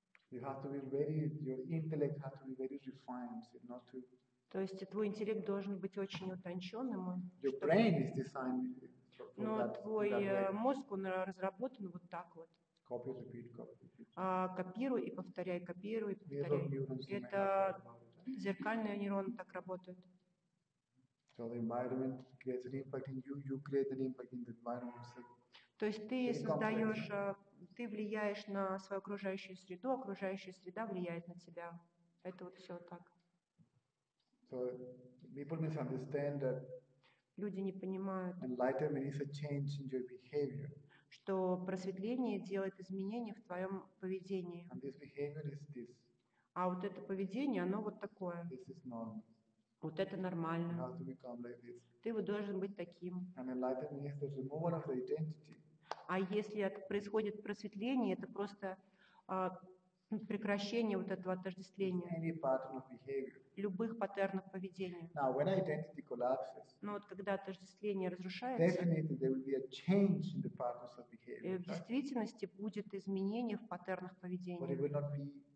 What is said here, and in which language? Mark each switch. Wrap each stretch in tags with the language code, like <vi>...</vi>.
<en>You have to be very, your intellect has to be very refined, not to.</en> <ru>То есть твой интеллект должен быть очень утонченным.</ru> <en>Your brain is designed for that.</en> <ru>Но твой мозг, он разработан вот так вот.</ru> <en>Copy, repeat, copy, repeat.</en> <ru>Копируй и повторяй, копируй и повторяй. Это зеркальные нейроны так работают.</ru> <en>So the environment creates an impact in you, you create an impact in the environment.</en> <ru>То есть ты создаешь, ты влияешь на свою окружающую среду, окружающая среда влияет на тебя. Это вот все так.</ru> <en>So people misunderstand that.</en> <ru>Люди не понимают.</ru> <en>Enlightenment is a change in your behavior.</en> <ru>Что просветление делает изменения в твоем поведении.</ru> <en>And this behavior is this.</en> <ru>А вот это поведение, оно вот такое.</ru> <en>This is normal.</en> <ru>Вот это нормально.</ru> <en>You have to become like this.</en> <ru>Ты вот должен быть таким.</ru> <en>And enlightenment is the removal of the identity.</en> <ru>А если это происходит просветление, это просто прекращение вот этого отождествления.</ru> <en>Any pattern of behavior.</en> <ru>Любых паттернов поведения.</ru> <en>Now, when identity collapses,</en> <ru>но вот когда отождествление разрушается, в действительности будет изменение в паттернах поведения.</ru>